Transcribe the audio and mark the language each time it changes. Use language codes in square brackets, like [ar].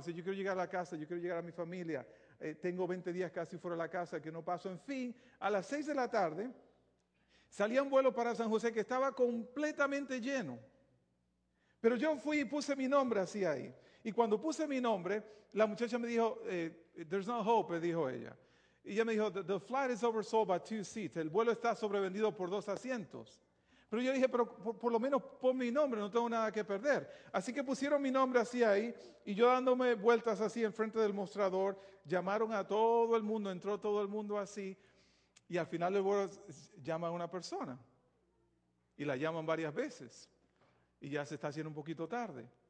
[es] Le dice, yo quiero llegar a la casa, yo quiero llegar a mi familia. Tengo 20 días casi fuera de la casa, que no paso. En fin, a las 6 de la tarde, salía un vuelo para San José que estaba completamente lleno. Pero yo fui y puse mi nombre así ahí. Y cuando puse mi nombre, la muchacha me dijo, [en] there's no hope, [es] dijo ella. Y ella me dijo, [en] the flight is oversold by 2 seats. [es] El vuelo está sobrevendido por 2 asientos. Pero yo dije, pero por lo menos pon mi nombre, no tengo nada que perder. Así que pusieron mi nombre así ahí y yo dándome vueltas así en frente del mostrador, llamaron a todo el mundo, entró todo el mundo así y al final el vuelo llama a una persona y la llaman varias veces y ya se está haciendo un poquito tarde.